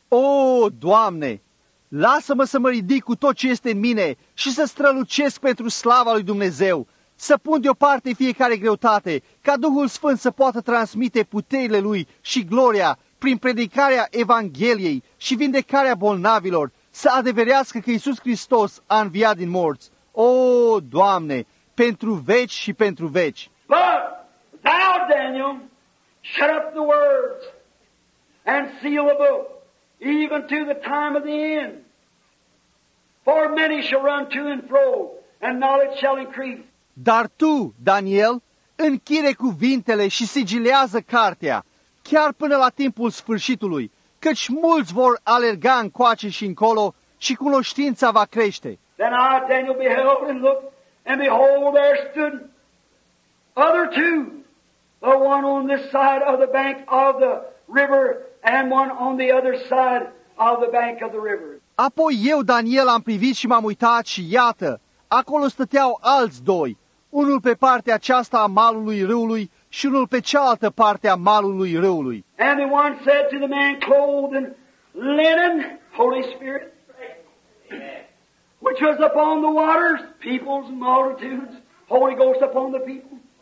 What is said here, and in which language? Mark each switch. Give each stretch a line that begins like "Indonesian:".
Romanian: Oh, Doamne, lasă-mă să mă ridic cu tot ce este în mine și să strălucesc pentru slava lui Dumnezeu, să pun deoparte fiecare greutate, ca Duhul Sfânt să poată transmite puterile Lui și gloria prin predicarea Evangheliei și vindecarea bolnavilor, să adeverească că Iisus Hristos a înviat din morți. Oh, Doamne, pentru veci și pentru veci.
English: Thou, Daniel, shut up the words and seal the book, even to the time of the end. For many shall run to and fro, and knowledge shall increase.
Romanian: Dar tu, Daniel, închide cuvintele și sigilează cartea, chiar până la timpul sfârșitului, căci mulți vor alerga încoace și încolo și cunoștința va crește.
English: Then I, Daniel, beheld and looked, and behold, there stood other two. The one on this side of the bank of the river and one on the other side of the bank of the river.
Romanian: Apoi eu, Daniel, am privit și m-am uitat și iată, acolo stăteau alți doi, unul pe partea aceasta a malului râului și unul pe cealaltă parte a malului râului.
English: And the one said to the man clothed in linen, Holy Spirit, which was upon the waters, peoples and multitudes, Holy Ghost upon the people.